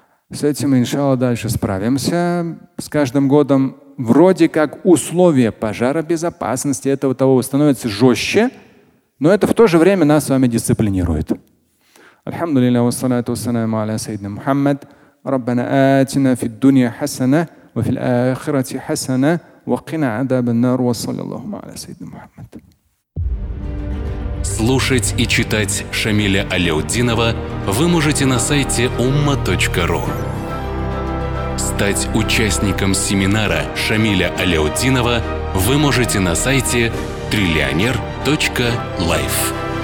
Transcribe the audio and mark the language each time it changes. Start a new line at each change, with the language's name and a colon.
Russian: С этим, иншалла, дальше справимся. С каждым годом вроде как условия пожаробезопасности этого того становятся жестче, но это в то же время нас с вами дисциплинирует.
Arabic: Алхамду лилля, вассалату вассаляму аля сайдина Мухаммад. ربنا آتنا في الدنيا حسنة وفي الآخرة حسنة وقنا عذاب النار وصلى الله على سيدنا محمد.
Russian: Слушать и читать Шамиля Аляутдинова вы можете на сайте umma.ru. Стать участником семинара Шамиля Аляутдинова вы можете на сайте trillioner.life.